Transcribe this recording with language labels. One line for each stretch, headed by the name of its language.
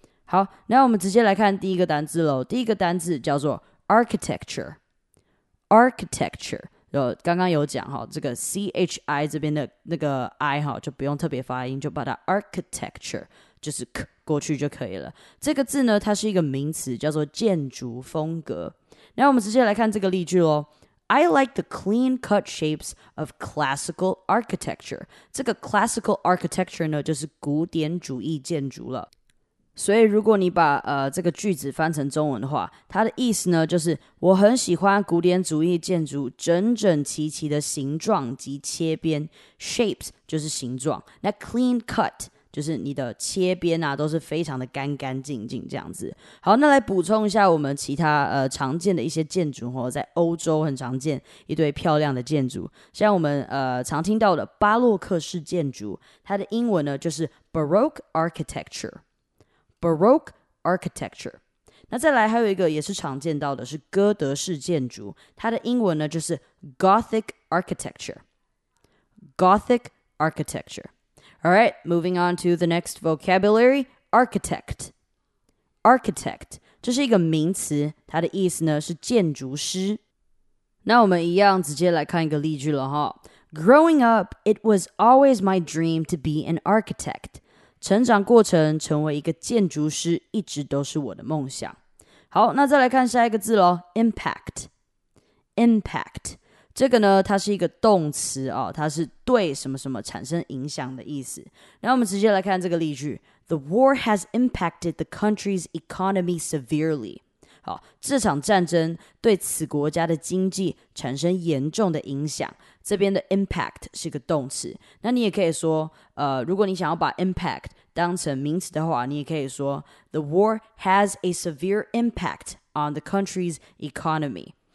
Chinese: 好，那我们直接来看第一个单字咯。第一个单字叫做 architecture， architecture， 刚刚有讲哦，这个 CHI 这边的那个 I 哦，就不用特别发音，就把它 architecture 就是 k 过去就可以了。这个字呢，它是一个名词，叫做建筑风格。那我们直接来看这个例句咯。
English: I like the clean cut shapes of classical architecture。
Chinese: 这个 classical architecture 呢，就是古典主义建筑了。所以如果你把这个句子翻成中文的话，它的意思呢，就是我很喜欢古典主义建筑整整齐齐的形状及切边。 shapes 就是形状，那 clean cut就是你的切边啊，都是非常的干干净净这样子。好，那来补充一下我们其他常见的一些建筑哦，在欧洲很常见一堆漂亮的建筑，像我们常听到的巴洛克式建筑，它的英文呢就是 Baroque architecture， Baroque architecture。那再来还有一个也是常见到的是哥德式建筑，它的英文呢就是 Gothic architecture， Gothic architecture。
English: Alright, moving on to the next vocabulary, architect. architect.
Chinese: 这是一个名词，它的意思呢是建筑师。那我们一样直接来看一个例句了哈。
English: Growing up, it was always my dream to be an architect.
Chinese: 成长过程成为一个建筑师一直都是我的梦想。好，那再来看下一个字咯， impact。Impact， 这个呢它是一个动词啊，它是对什么什么产生影响的意思。那我们直接来看这个例句。
English: The war has impacted the country's economy severely.
Chinese: 好，这场战争对此国家的经济产生严重的影响。这边的 impact 是个动词。那你也可以说，如果你想要把 impact 当成名词的话，你也可以说
English: The war has a severe impact on the country's economy.